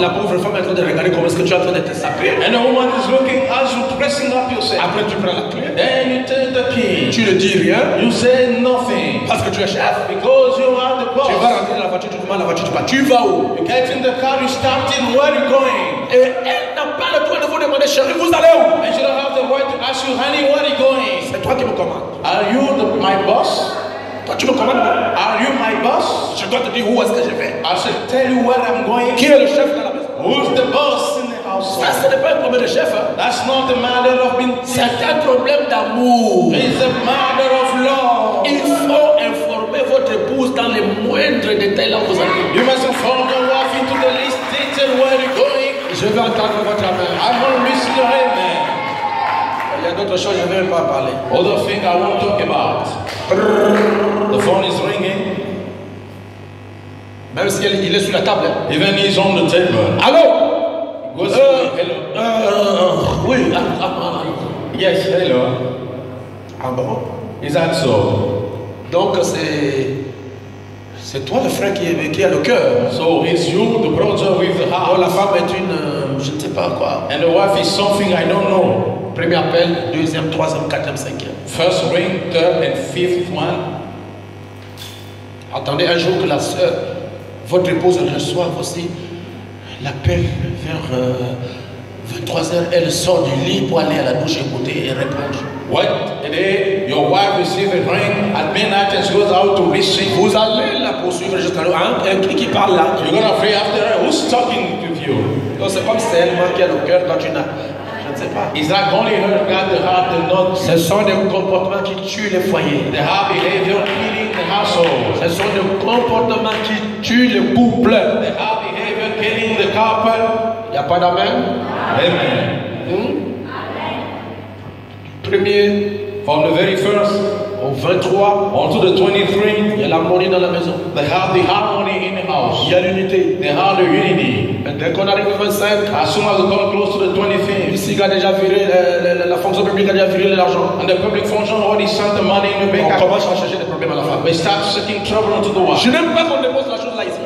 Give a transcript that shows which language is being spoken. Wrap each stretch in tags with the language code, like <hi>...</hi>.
<fr>La pauvre femme est en train de regarder comment est-ce que tu es en train de te saper.</fr> <en>And the woman is looking as you dressing up yourself.</en> <fr>Après tu prends la clé.</fr> <en>Then you take the key.</en> <fr>Tu ne dis rien.</fr> <en>You say nothing.</en> <fr>Parce que tu es chef.</fr> <en>Because you are the boss.</en> <fr>Tu vas rentrer dans la voiture, tu commandes la voiture, tu pars. Tu vas où?</fr> <en>You get in the car, you start in. Where are you going?</en> <fr>Et elle n'a pas le droit de vous demander, chérie, vous allez où?</fr> <en>And she don't have the right to ask you, honey, where are you going?</en> <fr>C'est toi qui me commandes.</fr> <en>Are you the, my boss?</en> <fr>Toi, tu me commandes.</fr> <en>Are you my boss?</en> <fr>Je dois te dire où est-ce que je vais.</fr> <en>I should tell you where I'm going.</en> <fr>Qui est le chef dans la maison?</fr> <en>Who's the boss in the house?</en> <fr>Ça, ce n'est pas un problème de chef.</fr> <en>That's not a matter of being.</en> <fr>C'est un problème d'amour.</fr> <en>It's a matter of love.</en> <fr>Il faut informer votre épouse dans les moindres détails là où vous allez.</fr> <en>You must inform your wife into the least detail where you're going.</en> <fr>Je vais entendre votre amen.</fr> <en>I'm going to listen to your amen.</en> <fr>Il y a d'autres choses que je ne veux pas parler.</fr> <en>Other thing I won't talk about. The phone is ringing.</en> <fr>Même si il est sur la table.</fr> <en>Even he's on the table.</en> <fr>Allô?</fr> <en>Hello.</en> <fr>Oui.</fr> <en>Yes. Hello.</en> <fr>Ah bon?</fr> <en>Is that so?</en> <fr>Donc c'est toi le frère qui a le cœur.</fr> <en>So it's you, the brother with the heart.</en> <fr>Oh, la femme est une, je ne sais pas quoi.</fr> <en>And the wife is something I don't know.</en> <fr>Premier appel, deuxième, troisième, quatrième, cinquième.</fr> <en>First ring, third and fifth one.</en> <fr>Attendez un jour que la sœur, votre épouse, reçoive aussi l'appel vers 23h. Elle sort du lit pour aller à la douche écouter et répondre.</fr> <en>What day your wife receives a ring at midnight and she goes out to receive.</en> <fr>Vous allez la poursuivre jusqu'à l'heure. Hein? Qui parle là?</fr> <en>You're going to pray after her. Who's talking to you?</en> <fr>Non, c'est comme celle moi qui a le cœur quand tu n'as.</fr> <en>Is that only her that have the not?</en> <fr>Ce sont des comportements qui tuent les foyers.</fr> <en>They have behavior killing the household.</en> <fr>Ce sont des comportements qui tuent les couples.</fr> <en>They have behavior killing the couple.</en> <fr>Il n'y a pas d'amen? Amen.</fr> <en>Amen.</en> <fr>Premier.</fr> <en>From the very first.</en> <fr>Au 23.</fr> <en>On to the 23.</en> <fr>Il y a l'harmonie dans la maison.</fr> <en>They have the harmony in the house.</en> <fr>Il y a l'unité.</fr> <en>They have the unity.</en> <fr>Et dès qu'on arrive au 25,</fr> <en>as soon as we come close to the 25,</en> <fr>ici il a déjà viré la fonction publique a déjà viré l'argent.</fr> <en>And the public function already sent the money in the bank.</en> <fr>On commence à chercher des problèmes à la femme.</fr> <en>We start seeking trouble onto the wife.</en> <fr>Je n'aime pas qu'on dépose la chose là ici.</fr>